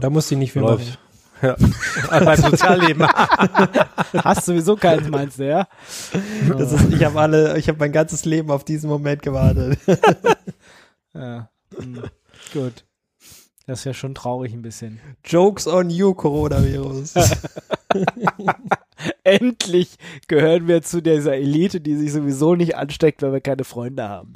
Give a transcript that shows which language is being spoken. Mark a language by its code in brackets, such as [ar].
[de] Da musst du nicht viel läuft. Machen. Ja. Mein Sozialleben. Hast du sowieso keins, meinst du, ja? Das ist, ich habe mein ganzes Leben auf diesen Moment gewartet. Ja. Gut. Das ist ja schon traurig ein bisschen. [en] Jokes on you, Coronavirus. [de] Endlich gehören wir zu dieser Elite, die sich sowieso nicht ansteckt, weil wir keine Freunde haben.